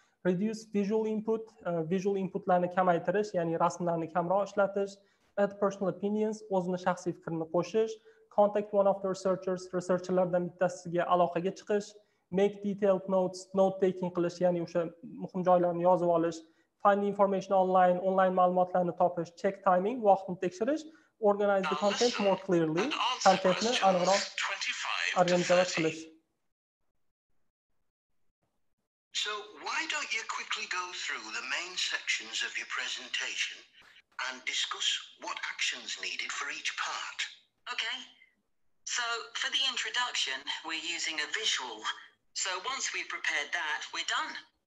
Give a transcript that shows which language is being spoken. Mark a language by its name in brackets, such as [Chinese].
[English] Reduce visual input, [Uzbek] visual inputlarni kamaytirish, ya'ni rasmlarni kamroq ishlatish, [English] add personal opinions, [Uzbek] o'zini shaxsiy fikrini qo'shish, [English] contact one of the researchers, [Uzbek] researchlardan bittasiga aloqaga chiqish, [English] make detailed notes, [Uzbek] note taking qilish, ya'ni o'sha muhim joylarni yozib olish, [English] find information online, [Uzbek] online ma'lumotlarni topish, [English] check timing, [Uzbek] vaqtni tekshirish. [English] Organize the content more clearly. [Uzbek] Contentni aniqroq organizatsiya qilish. [English] So why don't you quickly go through the main sections of your presentation and discuss what actions needed for each part? Okay. So for the introduction, we're using a visual. So once we've prepared that, we're done.